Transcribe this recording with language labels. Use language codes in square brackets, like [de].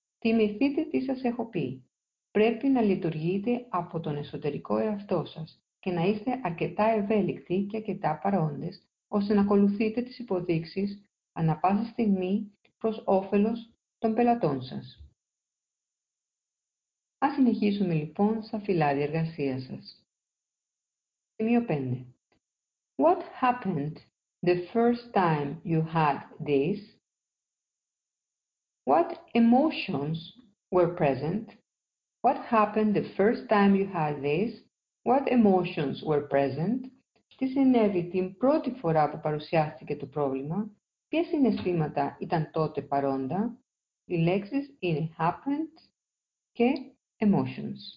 [el] Θυμηθείτε τι σας έχω πει. Πρέπει να λειτουργείτε από τον εσωτερικό εαυτό σας και να είστε αρκετά ευέλικτοι και αρκετά παρόντες, ώστε να ακολουθείτε τις υποδείξεις ανά πάσα στιγμή προς όφελος των πελατών σας. Ας συνεχίσουμε λοιπόν στα φυλάδια εργασίας σας. Σημείο 5. [en] What happened the first time you had this? What emotions were present? What happened the first time you had this? What emotions were present? [el] Τι συνέβη την πρώτη φορά που παρουσιάστηκε το πρόβλημα? Ποια συναισθήματα ήταν τότε παρόντα? Οι λέξεις είναι happened και emotions.